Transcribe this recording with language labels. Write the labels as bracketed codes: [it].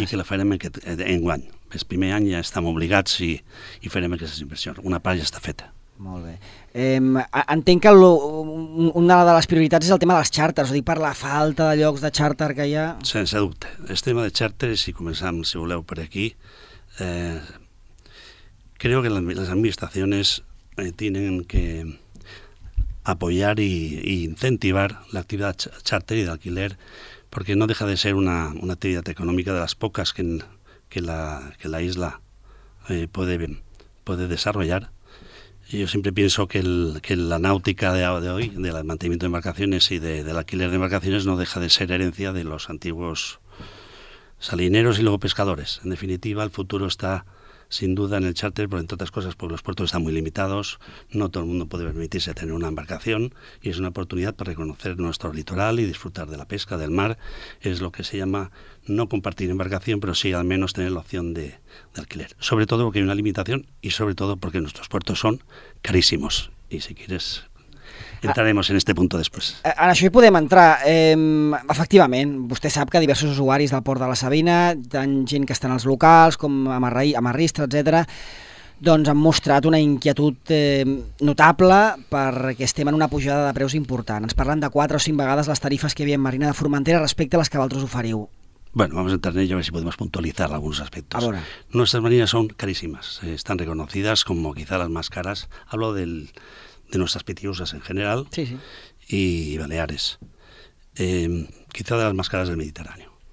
[ca] I que la farem en guany. El primer any ja estem obligats i farem aquestes inversions. Una part ja està feta. Molt bé. Entenc que una de les prioritats és el tema dels xàrters, o sigui, per la falta de llocs de xàrter que hi ha. Sense dubte. El tema de xàrters, si començam, si voleu, per aquí. [es] Creo que las administraciones tienen que apoyar y incentivar la actividad charter y de alquiler porque no deja de ser una actividad económica de las pocas que la isla puede desarrollar. Yo siempre pienso que la náutica de hoy, del mantenimiento de embarcaciones y del alquiler de embarcaciones, no deja de ser herencia de los antiguos salineros y luego pescadores. En definitiva, el futuro está sin duda en el charter, pero entre otras cosas porque los puertos están muy limitados, no todo el mundo puede permitirse tener una embarcación y es una oportunidad para reconocer nuestro litoral y disfrutar de la pesca, del mar. Es lo que se llama no compartir embarcación, pero sí al menos tener la opción de alquiler. Sobre todo porque hay una limitación y sobre todo porque nuestros puertos son carísimos. Y si quieres, entraremos en este punto [ca] després. En això hi podem entrar. Efectivament, vostè sap que diversos usuaris del Port de la Savina, tant gent que està en els locals com amarrista, etc., doncs han mostrat una inquietud notable perquè estem en una pujada de preus important. Ens parlen de 4 o 5 vegades les tarifes que hi havia en Marina de Formentera respecte a les que vosaltres oferiu. [es] Bueno, vamos a entrar en ello a ver si podemos puntualizar algunos aspectos. Ahora. Nuestras marinas son carísimas, están reconocidas como quizá las más caras. Hablo de nuestras pitiusas en general, sí, sí. Y Baleares, quizá de las más caras del Mediterráneo.